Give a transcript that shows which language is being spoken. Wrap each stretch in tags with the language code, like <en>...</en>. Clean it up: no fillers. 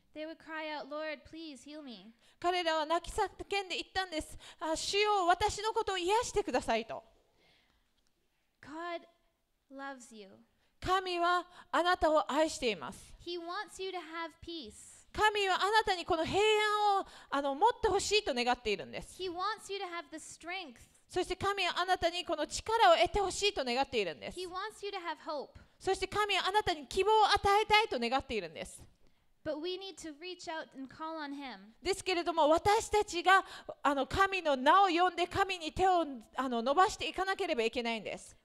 <en>They would cry out, Lord, please heal me.</en> <ja>彼らは泣き叫んで言ったんです。あ、主よ、私のことを癒してくださいと。</ja> <en>God loves you.</en> <ja>神はあなたを愛しています。</ja> <en>He wants you to have peace.</en> <ja>神はあなたにこの平安をあの持ってほしいと願っているんです。</ja> <en>He wants you to have the strength.</en> <ja>そして神はあなたにこの力を得てほしいと願っているんです。</ja> <en>He wants you to have hope.</en> <ja>そして神はあなたに希望を与えたいと願っているんです。</ja> <en>But we need to reach out and call on him.</en> <ja>ですけれども私たちがあの神の名を呼んで神に手をあの伸ばしていかなければいけないんです。</ja>